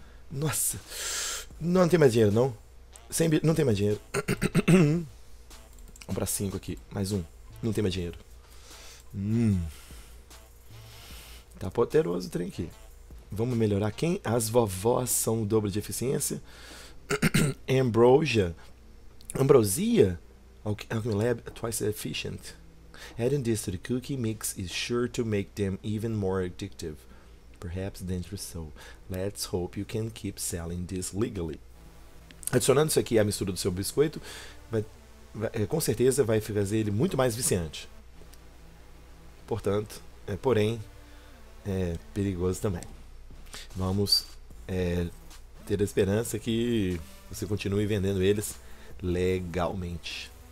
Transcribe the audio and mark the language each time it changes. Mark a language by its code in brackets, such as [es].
[pt] Nossa, não tem mais dinheiro, não. Sempre, não tem mais dinheiro. Vamos pra 5 aqui, mais um. Não tem mais dinheiro. Tá poderoso o trem aqui. Vamos melhorar quem? As vovós são o dobro de eficiência. Ambrosia. Ambrosia? [en] Alchemy Lab, twice as efficient. Adding this to the cookie mix is sure to make them even more addictive. Perhaps dangerous so. Let's hope you can keep selling this legally. [pt] Adicionando isso aqui à mistura do seu biscoito, com certeza vai fazer ele muito mais viciante. Portanto, porém, é perigoso também. Vamos ter a esperança que você continue vendendo eles legalmente.